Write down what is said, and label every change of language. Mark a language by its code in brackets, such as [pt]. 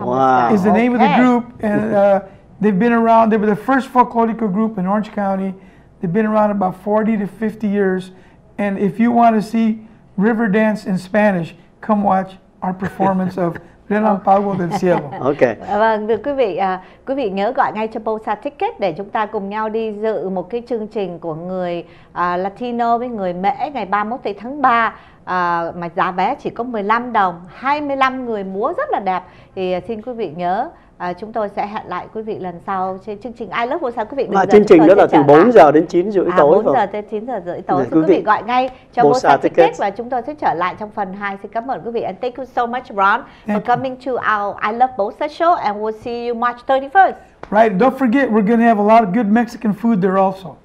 [en] the sky. Is the name of the group. And they've been around, they were the first folklorico group in Orange County. They've been around about 40 to 50 years. And if you want to see river dance in Spanish, come watch our performance of Relampago del Cielo. Okay. [vi] Vâng, thưa quý vị, quý vị nhớ gọi ngay cho Bolsa Ticket để chúng ta cùng nhau đi dự một cái chương trình của người Latino với người Mễ ngày 31 tháng 3 mà giá vé chỉ có 15 đồng, 25 người múa rất là đẹp. Thì xin quý vị nhớ, chúng tôi sẽ hẹn lại quý vị lần sau trên chương trình I Love Bolsa. Quý vị là chương trình đó là từ 4 giờ đến 9 rưỡi tối. 4 giờ tới 9 giờ rưỡi tối. Quý vị gọi ngay cho Bolsa Ticket và chúng tôi sẽ trở lại trong phần 2. Xin cảm ơn quý vị. [en] And thank you so much, Ron, for coming to our I Love Bolsa show, and we'll see you March 31st. Right, don't forget, we're going to have a lot of good Mexican food there also.